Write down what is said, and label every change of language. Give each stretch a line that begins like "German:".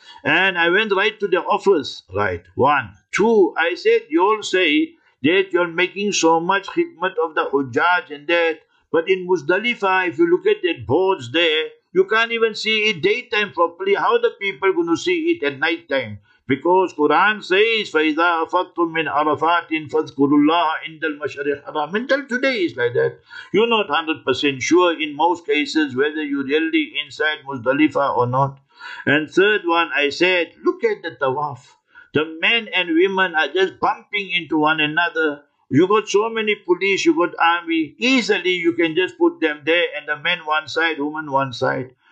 English: And I went right to the office, right, one. Two, I said, you all say that you're making so much khidmat of the Hujjaj and that. But in Muzdalifah, if you look at the boards there, you can't even see it daytime properly. How the people going to see it at nighttime? Because Quran says,
Arabic: فَإِذَا أَفَضْتُمْ مِنْ عَرَفَاتٍ فَذْكُرُوا اللَّهَ عِنْدَ الْمَشْرِحِ حَرَامٍ.
English: Until today is like that. You're not 100% sure in most cases whether you're really inside Muzdalifah or not. And third one, I said, look at the tawaf. The men and women are just bumping into one another. You got so many police, you got army. Easily you can just put them there and the men one side, women one side.